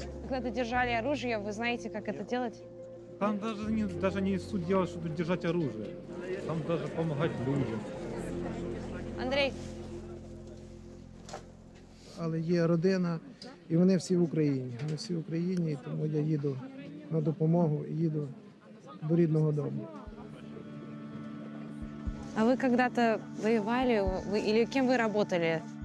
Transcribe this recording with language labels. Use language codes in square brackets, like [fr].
[ru] Когда держали оружие, вы знаете, как это делать? Там даже не суть дела, чтобы держать оружие. Там даже помогать людям. Андрей. [uk] Але є родина, і вони всі в Україні. Вони всі в Україні, і тому я їду на допомогу, і їду до рідного дому. [ru] А [uk] ви [ru] когда-то [uk] воювали, [ru] или кем вы работали?